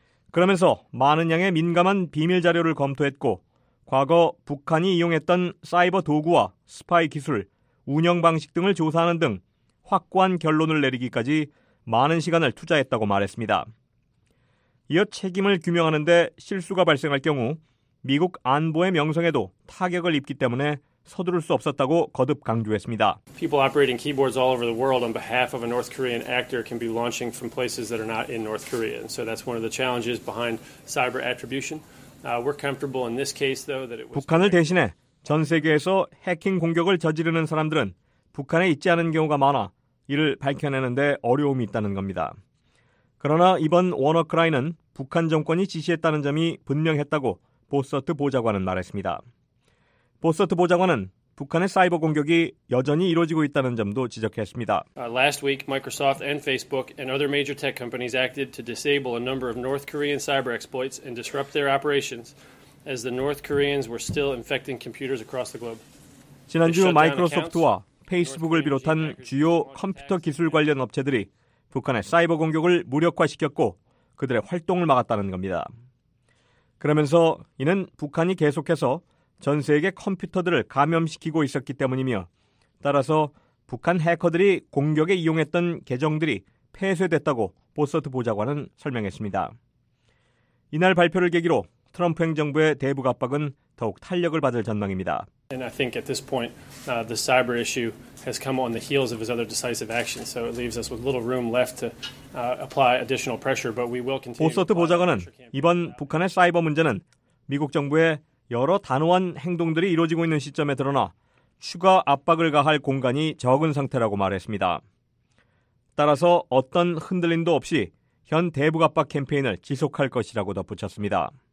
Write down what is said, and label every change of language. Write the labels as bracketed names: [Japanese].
[Korean] 그러면서 많은 양의 민감한 비밀 자료를 검토했고 과거 북한이 이용했던 사이버 도구와 스파이 기술, 운영 방식 등을 조사하는 등 확고한 결론을 내리기까지 많은 시간을 투자했다고 말했습니다. 이어 책임을 규명하는 데 실수가 발생할 경우 미국 안보의 명성에도 타격을 입기 때문에 서두를 수 없었다고 거듭 강조했습니다. [English] People operating keyboards all over the world on behalf of a North Korean actor can be launching from places that are not in North Korea. And so that's one of the challenges behind cyber attribution. We're comfortable in this case though that it was [Korean] 북한을 대신해 전 세계에서 해킹 공격을 저지르는 사람들은 북한에 있지 않은 경우가 많아 이를 밝혀내는 데 어려움이 있다는 겁니다. 그러나 이번 워너크라이는 북한 정권이 지시했다는 점이 분명했다고 보서트 보좌관은 말했습니다. 보서트 보좌관은 북한의 사이버 공격이 여전히 이루어지고 있다는 점도 지적했습니다. [English] Last week, Microsoft and Facebook and other major tech companies acted to disable a number of North Korean cyber exploits and disrupt their operations as the North Koreans were still infecting computers across the globe. [Korean] 지난주 마이크로소프트와 페이스북을 비롯한 주요 컴퓨터 기술 관련 업체들이 북한의 사이버 공격을 무력화시켰고 그들의 활동을 막았다는 겁니다. 그러면서 이는 북한이 계속해서 전 세계 컴퓨터들을 감염시키고 있었기 때문이며 따라서 북한 해커들이 공격에 이용했던 계정들이 폐쇄됐다고 보서트 보좌관은 설명했습니다. 이날 발표를 계기로 트럼프 행정부의 대북 압박은 더욱 탄력을 받을 전망입니다. [English] And I think at this point the cyber issue has come on the heels of his other decisive action, so it leaves us with little room left to apply additional pressure, but we will continue. [Korean] 보서트 보좌관은 이번 북한의 사이버 문제는 미국 정부의 여러 단호한 행동들이 이루어지고 있는 시점에 드러나 추가 압박을 가할 공간이 적은 상태라고 말했습니다. 따라서 어떤 흔들림도 없이 현 대북 압박 캠페인을 지속할 것이라고 덧붙였습니다.